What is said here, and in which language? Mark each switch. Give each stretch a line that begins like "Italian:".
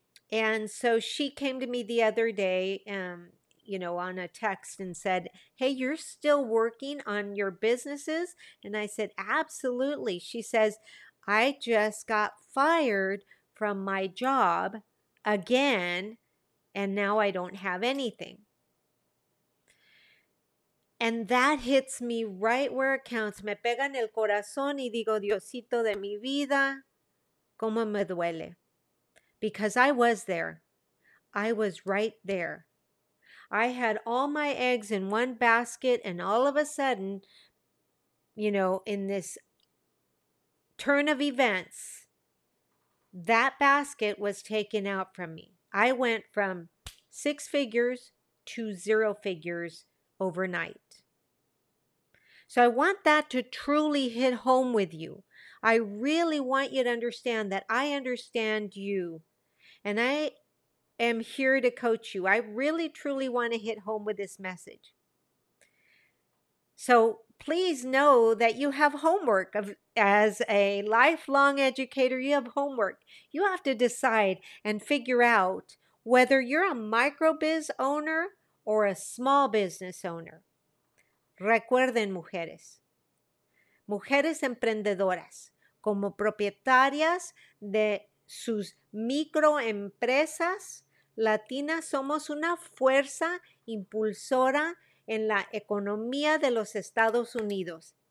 English: And so she came to me the other day, on a text and said, "Hey, you're still working on your businesses?" And I said, "Absolutely." She says, "I just got fired from my job again, and now I don't have anything." And that hits me right where it counts.
Spanish: Me pega en el corazón y digo, Diosito de mi vida, cómo me duele.
English: Because I was there. I was right there. I had all my eggs in one basket, and all of a sudden, you know, in this turn of events, that basket was taken out from me. I went from 6 figures to 0 figures overnight. So I want that to truly hit home with you. I really want you to understand that I understand you, and I am here to coach you. I really, truly want to hit home with this message. So please know that you have homework. As a lifelong educator, you have homework. You have to decide and figure out whether you're a microbiz owner or a small business owner.
Spanish: Recuerden, mujeres. Mujeres emprendedoras, como propietarias de sus microempresas, latinas somos una fuerza impulsora en la economía de los Estados Unidos.